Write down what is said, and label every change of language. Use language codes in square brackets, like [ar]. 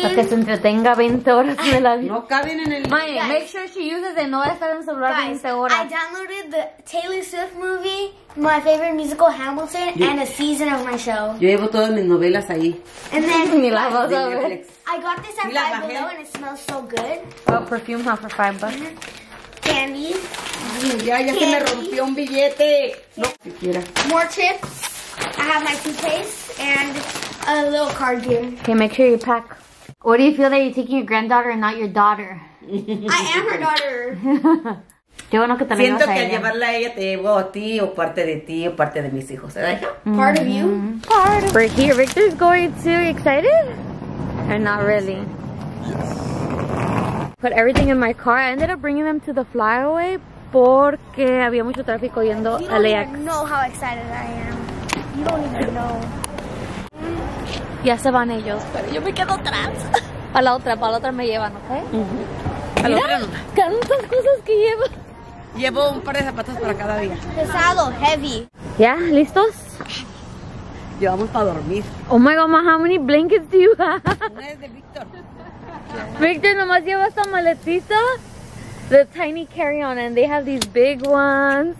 [es] Para que se entretenga 20 horas de la vida. No caben en el... [en] Mae, make sure she uses it. [es] No va a estar en su celular 20 horas. [en] I downloaded the Taylor Swift movie, my favorite musical, Hamilton, and a season of my show. [es] Yo llevo todas mis novelas ahí. [en] And then... [es] Ni la vas a ver. [en] I got this at Five Below and it smells so good. Oh, perfume, huh, for $5. Candy. [es] Ya se me rompió un billete. No, siquiera. [en] More chips. I have my toothpaste and... A little card game. Okay, make sure you pack. What do you feel that you're taking your granddaughter and not your daughter? I am her daughter. [es] Qué bueno que te siento que al llevarla a ella te llevo a ti o parte de ti o parte de mis hijos. [en] Part of you. Part of. We're here. Victor's going to. You excited? Or not really. Put everything in my car. I ended up bringing them to the flyaway [es] porque había mucho tráfico yendo a LAX. [en] You don't even know how excited I am. You don't even know. [es] Ya se van ellos, pero yo me quedo atrás. Para la otra me llevan, ¿ok? Uh-huh. A la otra. Tantas cosas que llevo. Llevo un par de zapatos para cada día. Pesado, heavy. ¿Ya? ¿Listos? Llevamos para dormir. [en] Oh my God, how many blankets do you have? [es] Una es de Victor. Victor nomás lleva esta maletita. [en] The tiny carry-on, and they have these big ones.